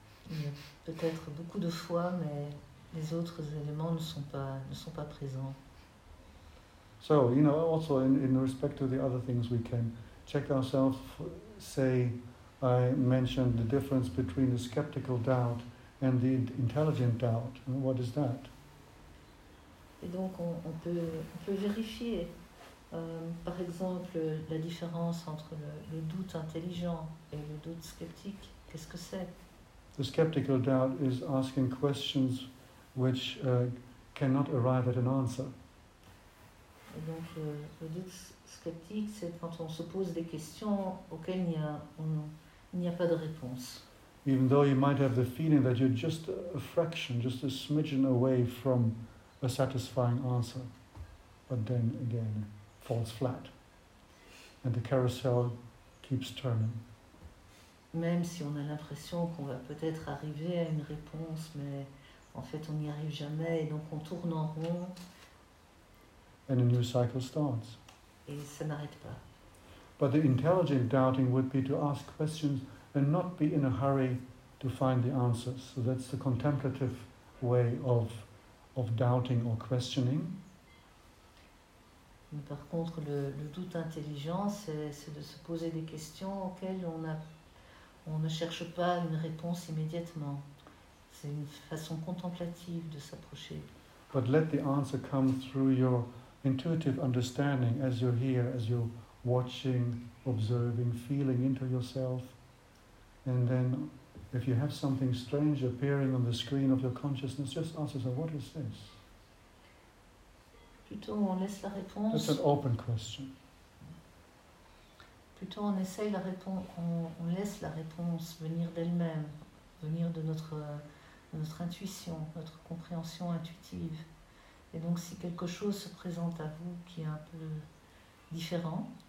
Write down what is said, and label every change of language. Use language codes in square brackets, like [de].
[fr] Il y a peut-être beaucoup de foi, mais les autres éléments ne sont pas présents. [en] So, you know, also in respect to the other things, we can check ourselves, say, I mentioned the difference between the skeptical doubt and the intelligent doubt. And what is that? [fr] Et donc, on peut vérifier, par exemple, la différence entre le doute intelligent et le doute sceptique. Qu'est-ce que c'est? [en] The skeptical doubt is asking questions which cannot arrive at an answer. [fr] Et donc, le doute sceptique, c'est quand on se pose des questions auxquelles il n'y a pas de réponse. [en] Even though you might have the feeling that you're just a fraction, just a smidgen away from a satisfying answer, but then again, falls flat, and the carousel keeps turning. [fr] Même si on a l'impression qu'on va peut-être arriver à une réponse, mais en fait, on n'y arrive jamais, et donc on tourne en rond. [en] And a new cycle starts. [fr] Et ça n'arrête pas. [en] But the intelligent doubting would be to ask questions and not be in a hurry to find the answers. So that's the contemplative way of doubting or questioning. [fr] Mais par contre, le doute intelligent, c'est de se poser des questions auxquelles on ne cherche pas une réponse immédiatement. C'est une façon contemplative de s'approcher. [en] But let the answer come through your intuitive understanding as you hear, as you're watching, observing, feeling into yourself. And then if you have something strange appearing on the screen of your consciousness, just ask yourself, what is this? [fr] Plutôt on laisse la réponse. [en] That's an open question. [fr] Plutôt on essaye la réponse, on laisse la réponse venir d'elle-même, venir de notre intuition, notre compréhension intuitive. Et donc, si quelque chose se présente à vous qui est un peu différent,